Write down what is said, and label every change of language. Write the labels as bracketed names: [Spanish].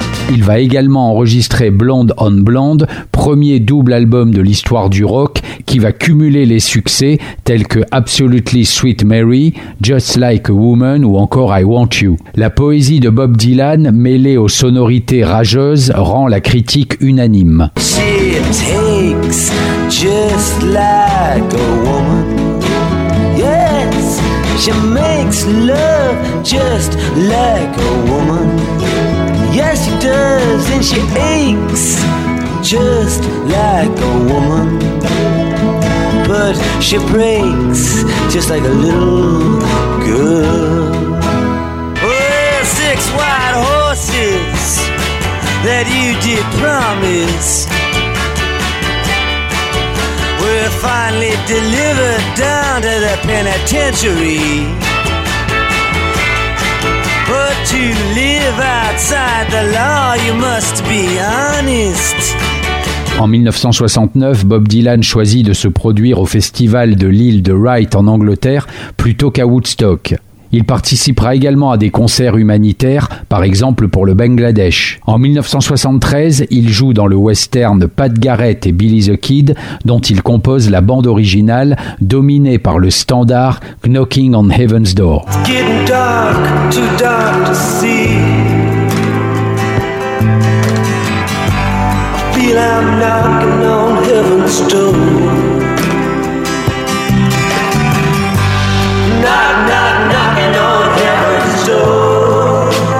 [French] Il va également enregistrer Blonde on Blonde, premier double album de l'histoire du rock, qui va cumuler les succès tels que Absolutely Sweet Mary, Just Like a Woman ou encore I Want You. La poésie de Bob Dylan, mêlée aux sonorités rageuses, rend la critique unanime. [English] She takes just like a woman. Yes, she makes love just like a woman. Yes, she does, and she aches just like a woman. But she breaks just like a little girl. Well, six white horses that you did promise were finally delivered down to the penitentiary. But to live outside the law, you must be honest. [French] En 1969, Bob Dylan choisit de se produire au festival de l'île de Wight en Angleterre plutôt qu'à Woodstock. Il participera également à des concerts humanitaires, par exemple pour le Bangladesh. En 1973, il joue dans le western Pat Garrett et Billy the Kid, dont il compose la bande originale, dominée par le standard Knocking on Heaven's Door. [English] It's getting dark, too dark to see. I'm knocking on heaven's door. Knock, knock, knocking on heaven's door.